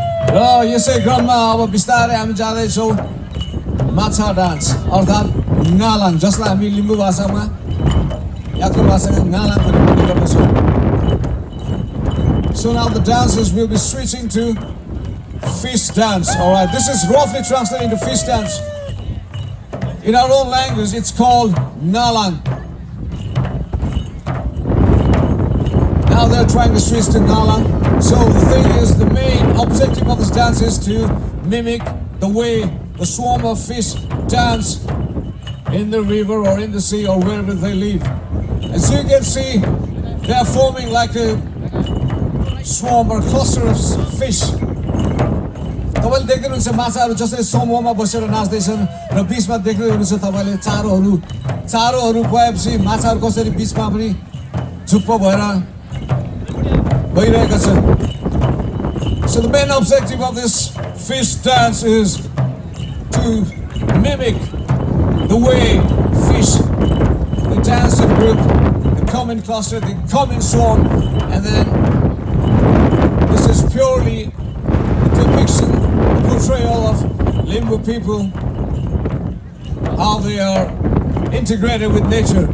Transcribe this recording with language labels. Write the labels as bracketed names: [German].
[Nepali] र यसै क्रममा अब बिस्तारै हामी जाँदैछौँ माछा डान्स अर्थात् नालाङ जसलाई हामी लिम्बू भाषामा यात्रु भाषामा नालाङ पनि भन्ने गर्दछौँ [English] So now the dancers will be switching to fish dance. All right, this is roughly translated into fish dance. In our own language, it's called nalang. Now they're trying to switch to nalang. So the thing is, the main objective of this dance is to mimic the way the swarm of fish dance in the river or in the sea or wherever they live. As you can see, they're forming like a swarm or cluster of fish. [Nepali] तपाईँले देख्दै हुनुहुन्छ माछाहरू जसरी समूहमा बसेर नाच्दैछन् र बिचमा देख्दै हुनुहुन्छ तपाईँले चारोहरू गएपछि माछाहरू कसरी बिचमा पनि झुप्प भएर भइरहेको छ [English] So the main objective of this fish dance is to mimic the way fish they dance in group they come in cluster they come in swarm and then This is purely a depiction, a portrayal of Limbu people, how they are integrated with nature.